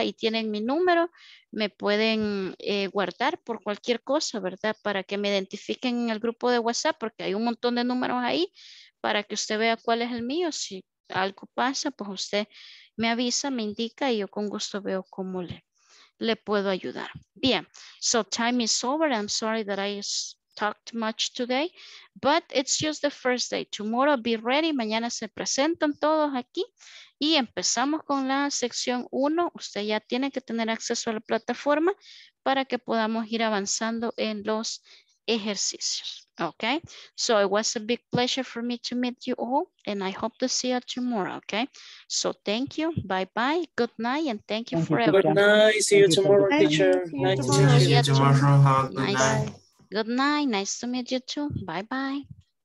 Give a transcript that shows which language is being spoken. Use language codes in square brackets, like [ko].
[es] Ahí tienen mi número. Me pueden guardar por cualquier cosa, ¿verdad? Para que me identifiquen en el grupo de WhatsApp, porque hay un montón de números ahí para que usted vea cuál es el mío. Si algo pasa, pues usted me avisa, me indica y yo con gusto veo cómo le puedo ayudar. [en] Bien, so time is over. I'm sorry that I talked much today, but it's just the first day. Tomorrow be ready. [es] Mañana se presentan todos aquí y empezamos con la sección 1. Usted ya tiene que tener acceso a la plataforma para que podamos ir avanzando en los ejercicios. [en] Okay, so it was a big pleasure for me to meet you all, and I hope to see you tomorrow. Okay, so thank you. Bye bye. Good night, and thank you for everything. Good night. See you tomorrow, teacher. Nice to meet you tomorrow. Good night. Good night. Nice to meet you too. Bye bye.